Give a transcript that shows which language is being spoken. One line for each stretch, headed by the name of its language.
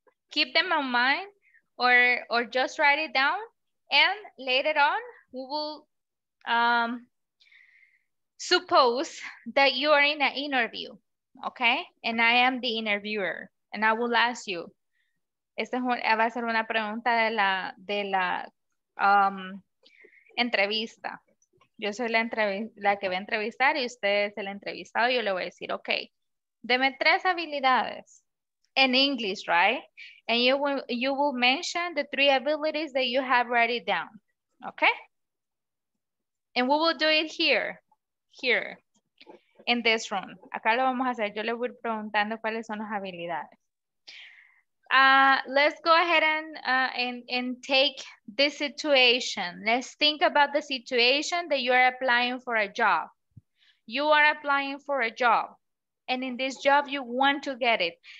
English: Keep them in mind or just write it down. And later on, we will suppose that you are in an interview, okay? And I am the interviewer and I will ask you.
Spanish: Esta va a ser una pregunta de la entrevista. Yo soy la que va a entrevistar y usted es el entrevistado. Yo le voy a decir, ok, deme tres habilidades en English, right?
English: And you will mention the three abilities that you have written down, okay? And we will do it here, in this room.
Spanish: Acá lo vamos a hacer. Yo le voy preguntando cuáles son las habilidades.
English: Let's go ahead and take this situation. Let's think about the situation that you are applying for a job. You are applying for a job. And in this job, you want to get it.